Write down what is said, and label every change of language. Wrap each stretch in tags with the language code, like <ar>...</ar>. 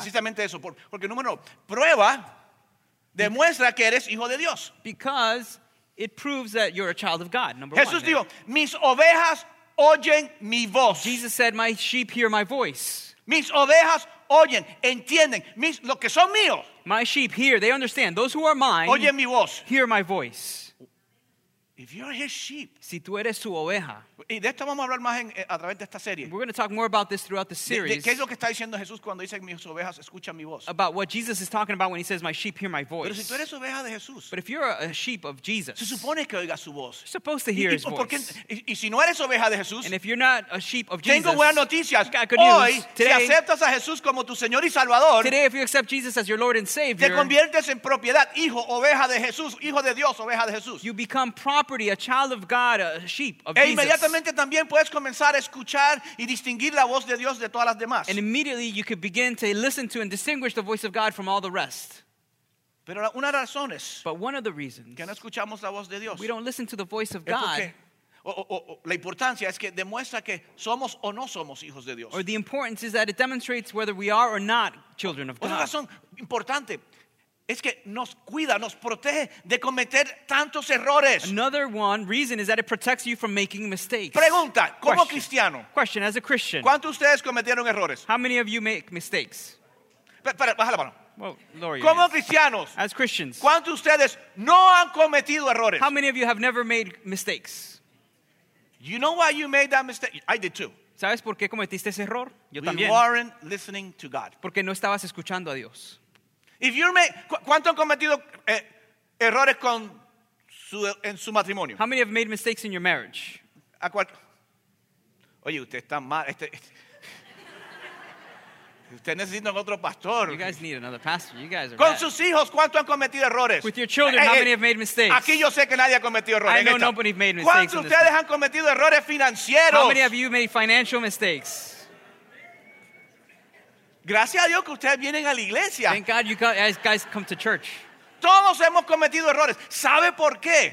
<es>Precisamente eso, porque número prueba demuestra que eres hijo de Dios.</es> <en>Because it proves that you're a child of God. Number</en> <es>Jesús Jesús dijo, mis ovejas oyen mi voz.</es> <en>Jesus said, my sheep hear my voice.</en> <es>Mis ovejas oyen, entienden, mis lo que son míos.</es> <en>My sheep hear, they understand. Those who are mine,</en> <es>oyen mi voz.</es> <en>Hear my voice. If you're his sheep,</en> <es>si tú eres su oveja, y de esto vamos a hablar más a través de esta serie.</es> <en>We're going to talk more about this throughout the series.</en> <es>¿Qué es lo que está diciendo Jesús cuando dice mis ovejas escuchan mi voz?</es> <en>About what Jesus is talking about when he says my sheep hear my voice.</en> <es>Pero si tú eres oveja de Jesús,</es> <en>but if you're a sheep of Jesus,</en> <es>se supone que oiga su voz.</es> <en>You're supposed to hear his voice.</en> <es>Y si no eres oveja de Jesús,</es> <en>and if you're not a sheep of Jesus,</en> <es>tengo buenas noticias.</es> <en>I've got good news.</en> <es>Hoy,</es> <en>today,</en> <es>si aceptas a Jesús como tu Señor y Salvador,</es> <en>today if you accept Jesus as your Lord and Savior,</en> <es>te conviertes en propiedad, hijo, oveja de Jesús, hijo de Dios, oveja de Jesús.</es> <en>You become property. A child of God, a sheep of Jesus.</en> <es>E inmediatamente también puedes comenzar a escuchar y distinguir la voz de Dios de todas las demás.</es> <en>And immediately you could begin to listen to and distinguish the voice of God from all the rest.</en> <es>Pero una de las razones,</es> <en>but one of the reasons,</en> <es>que no escuchamos la voz de Dios,</es> <en>we don't listen to the voice of God.</en> <es>La importancia es que demuestra que somos o no somos hijos de Dios.</es> <en>Or the importance is that it demonstrates whether we are or not children of God.</en> <es>Otra razón importante. Es que nos cuida, nos protege de cometer tantos errores.</es> <en>Another one reason is that it protects you from making mistakes.</en> <es>Pregunta, ¿cómo</es> <en>question.</en> <es>Cristiano?</es> <en>Question, as a Christian.</en> <es>¿Cuántos de ustedes cometieron errores?</es> <en>How many of you make mistakes?</en> <es>Pero, baja la mano.</es> <en>Well, Lord,</en> <es>¿cómo cristianos?</es> <en>As Christians.</en> <es>¿Cuántos de ustedes no han cometido errores?</es> <en>How many of you have never made mistakes? You know why you made that mistake? I did too.</en> <es>¿Sabes por qué cometiste ese error? Yo</es> <en>we</en> <es>también.</es> <en>We weren't listening to God.</en> <es>Porque no estabas escuchando a Dios.</es> <en>If you're made,</en> <es>¿cuántos han cometido errores con en su matrimonio?</es> <en>How many have made mistakes in your marriage?</en> <es>¿A cuál? Oye, usted está mal. Usted necesita otro pastor.</es> <en>You guys need another pastor. You guys are</en> <es>con</es> <en>bad.</en> <es>Sus hijos, ¿cuántos han cometido errores?</es> <en>With your children, how many have made mistakes?</en> <es>Aquí yo sé que nadie ha cometido errores.</es> <en>I know nobody made mistakes.</en> <es>¿Cuántos ustedes han cometido errores financieros?</es> <en>How many of you made financial mistakes?</en> <es>Gracias a Dios que ustedes vienen a la iglesia.</es> <en>Thank God you guys come to church.</en> <es>Todos hemos cometido errores. ¿Sabe por qué?</es>